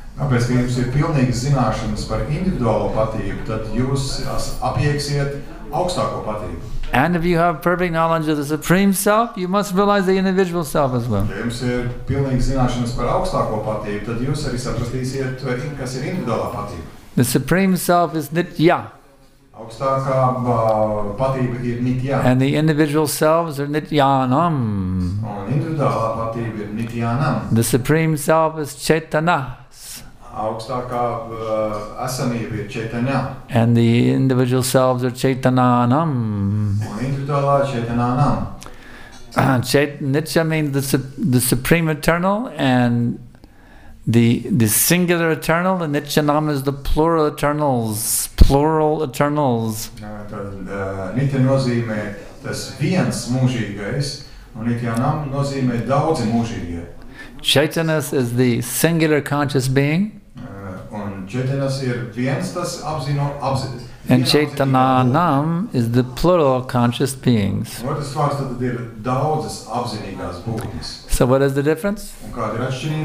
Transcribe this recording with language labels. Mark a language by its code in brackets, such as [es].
[lv] Tāpēc, ka jums ir pilnīgas zināšanas par individuālo patību, tad jūs apieksiet augstāko patību. [en] And if you have perfect knowledge of the Supreme Self, you must realize the individual self as well. [lv] Ja jums ir pilnīgas zināšanas par augstāko patību, tad jūs arī saprastīsiet, kas ir individuālā patība. [en] The Supreme Self is Nitya. [lv] Augstākā patība ir Nitya. [en] And the individual selves are Nityānam. [lv] Un individuālā patība ir Nityānam. [en] The Supreme Self is Chaitanya. [lv] Augstākā esamība ir Chaitanya. [en] And the individual selves are Chaitanānam. [lv] Un individuālā Chaitanānam. [en] Nitya means the Supreme Eternal and the singular eternal, the Nityānam is the plural eternals, plural eternals. [lv] Niti nozīmē tas viens mūžīgais, un niti anam nozīmē daudzi mūžīgie. [en] Chaitanas is the singular conscious being. [lv] Un Chaitanas ir viens tas apzino, [en] And Chaitananam is the plural conscious beings. So what is the difference?